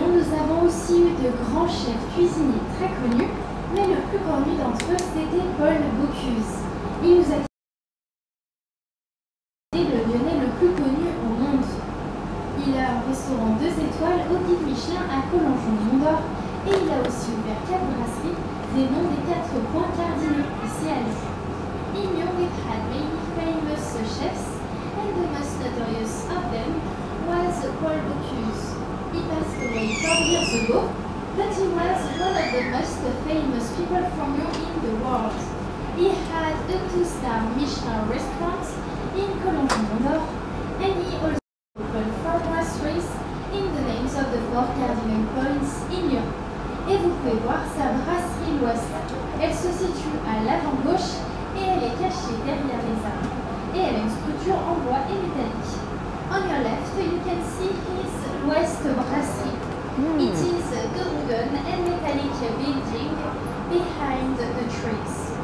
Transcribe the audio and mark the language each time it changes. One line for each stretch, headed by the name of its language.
French: De grands chefs cuisiniers très connus, mais le plus connu d'entre eux c'était Paul Bocuse. Il nous a dit le Lyonnais le plus connu au monde. Il a un restaurant 2 étoiles au guide Michelin à Colonjon du Mont-d'Or et il a aussi ouvert 4 brasseries des noms des 4 points cardinaux ici à Lyon.
English: In Lyon, we had many famous chefs and the most notorious of them was Paul Bocuse. He passed away 4 years ago. But he was one of the most famous people from Lyon in the world. He had a 2-star Michelin restaurant in Colonjon du Mont-d'Or, and he also opened 4 brasseries in the names of the 4 cardinal points in Lyon.
French: Et vous pouvez voir sa brasserie l'Ouest. Elle se situe à l'avant gauche et elle est cachée derrière les arbres. Et elle a une structure en bois et métallique.
English: On your left, you can see his West brasserie. It is the wooden and metallic building behind the trees.